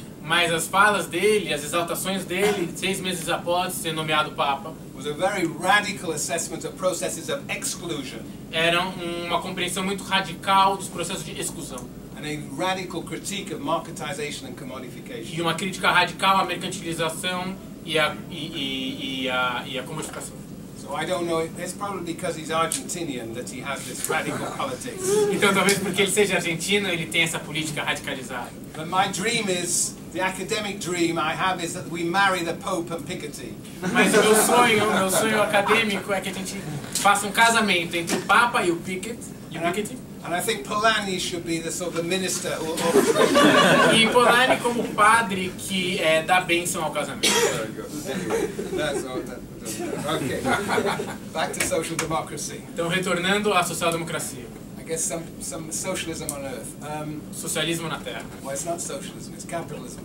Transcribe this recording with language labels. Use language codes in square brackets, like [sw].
[pt] Mas as falas dele, as exaltações dele, 6 meses após ser nomeado Papa. [en] Was a very radical assessment of processes of exclusion. [pt] Era uma compreensão muito radical dos processos de exclusão. [en] And a radical critique of marketization and commodification. [pt] E uma crítica radical à mercantilização. E a comunicação. [en] So I don't know. It's probably because he's Argentinian that he has this radical politics. [pt] Então talvez porque ele seja argentino ele tem essa política radicalizada. [en] But my dream is the academic dream I have is that we marry the Pope and Piketty. [pt] Mas meu sonho acadêmico é que a gente faça casamento entre o Papa e o Piketty. [en] And I think Polanyi should be the sort of the minister who [pt] E Polanyi como padre que dá bênção ao casamento. [en] Very good. Anyway, that's okay. Back to social democracy. [pt] Então retornando à social democracia. [en] Okay, guess some socialism on Earth. [pt] Socialismo na Terra. [en] Well, it's not socialism, it's capitalism.